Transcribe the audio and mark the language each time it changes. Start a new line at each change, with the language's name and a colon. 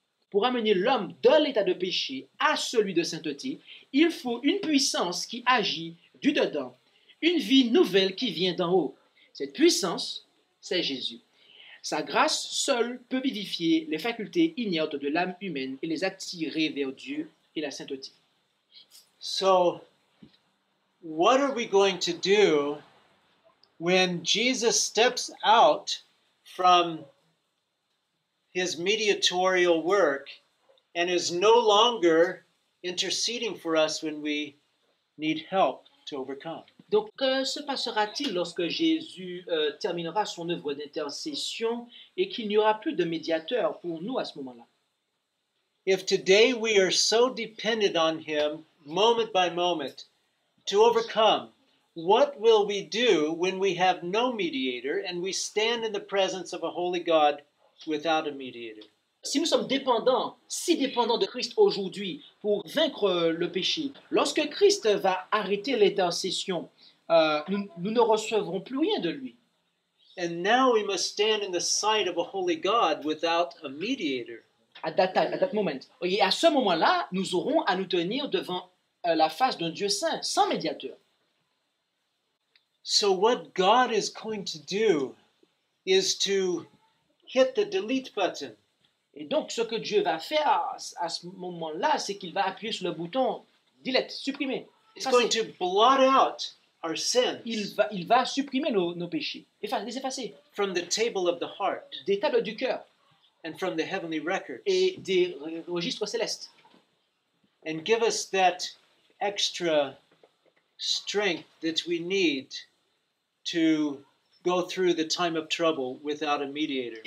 French: Pour amener l'homme de l'état de péché à celui de sainteté, il faut une puissance qui agit du dedans, une vie nouvelle qui vient d'en haut. Cette puissance, c'est Jésus. Sa grâce seule peut vivifier les facultés ignorantes de l'âme humaine et les attirer vers Dieu et la sainteté.
English: So, what are we going to do when Jesus steps out from his mediatorial work and is no longer interceding for us when we need help to overcome?
French: Donc, que se passera-t-il lorsque Jésus terminera son œuvre d'intercession et qu'il n'y aura plus de médiateur pour nous à ce moment-là?
English: If today we are so dependent on him, moment by moment, to overcome, what will we do when we have no mediator and we stand in the presence of a holy God without a mediator?
French: Si nous sommes dépendants, si dépendants de Christ aujourd'hui pour vaincre le péché, lorsque Christ va arrêter l'intercession, nous ne recevrons plus rien de lui.
English: And now we must stand in the sight of a holy God without a mediator. At that moment.
French: Et à ce moment-là, nous aurons à nous tenir devant la face d'un Dieu saint, sans médiateur.
English: So what God is going to do is to hit the delete button.
French: Et donc, ce que Dieu va faire à ce moment-là, c'est qu'il va appuyer sur le bouton delete, supprimer.
English: He's going to blot out our sins.
French: Il va supprimer nos péchés, les effacer.
English: From the table of the heart.
French: Des tables du cœur.
English: And from the heavenly records.
French: Et des registres célestes.
English: And give us that extra strength that we need to go through the time of trouble without a mediator.